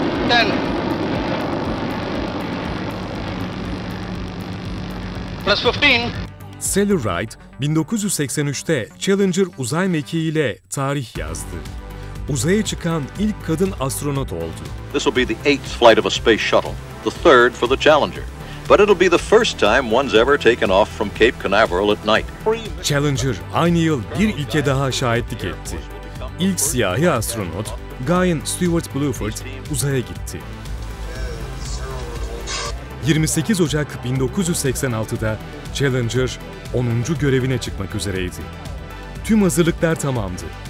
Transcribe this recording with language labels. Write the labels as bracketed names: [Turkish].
[English] 9, 10. Plus 15. [Turkish] Sellerite, 1983'te Challenger uzay mekiği ile tarih yazdı. Uzaya çıkan ilk kadın astronot oldu. [English] This will be the 8th flight of a space shuttle, the 3rd for the Challenger. But it'll be the first time one's ever taken off from Cape Canaveral at night. [Turkish] Challenger aynı yıl bir ilke daha şahitlik etti. İlk siyahi astronot Guyon Stewart Bluford uzaya gitti. 28 Ocak 1986'da Challenger 10. görevine çıkmak üzereydi. Tüm hazırlıklar tamamdı.